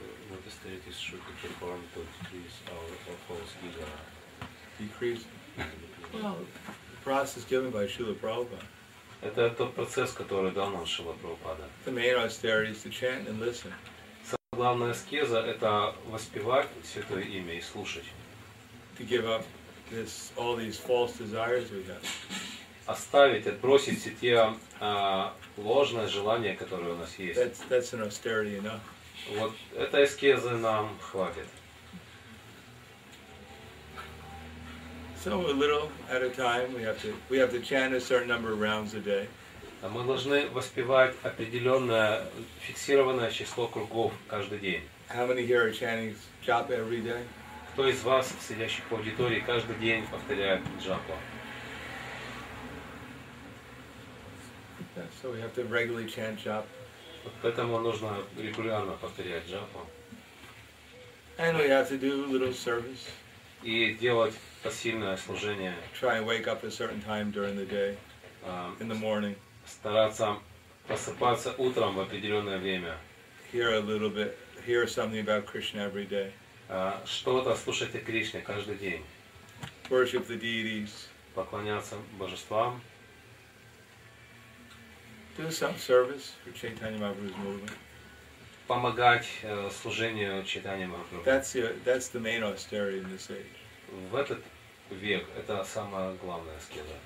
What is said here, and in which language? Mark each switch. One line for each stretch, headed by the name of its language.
English: What is the status should be performed to decrease our false ego? Decrease. Well, the process given by Śrīla Prabhupāda.
Russian: Это тот процесс, который дал нам Śrīla Prabhupāda.
English: The main austerity is to chant and listen.
Russian: Самая главная аскеза – это воспевать Святое Имя и слушать.
English: To give up this, all these false desires we have.
Russian: Оставить, отбросить все те ложные желания, которые у нас есть.
English: That's an austerity enough.
Russian: Вот этой аскезы нам хватит.
English: So a little at a time, we have to chant a certain number of rounds a day.
Russian: Мы должны воспевать определенное фиксированное число кругов каждый день.
English: How many here are chanting japa every day?
Russian: Кто из вас, сидящих в аудитории, каждый день повторяет джапу?
English: So we have to regularly chant japa.
Russian: Вот поэтому нужно регулярно повторять джапу.
English: And we have to do a little service.
Russian: И делать пассивное служение.
English: Try and wake up a certain time during the day, in the morning.
Russian: Стараться просыпаться утром в определенное время.
English: Hear a little bit, hear something about Krishna every day.
Russian: что-то слушать о Кришне каждый день.
English: Worship the deities.
Russian: Поклоняться божествам.
English: Do some service for Chaitanya Mahaprabhu's movement.
Russian: Помогать служению Чайтанья Махапрабху.
English: That's the main austerity in this age.
Russian: В этот век это самое главное аскеза.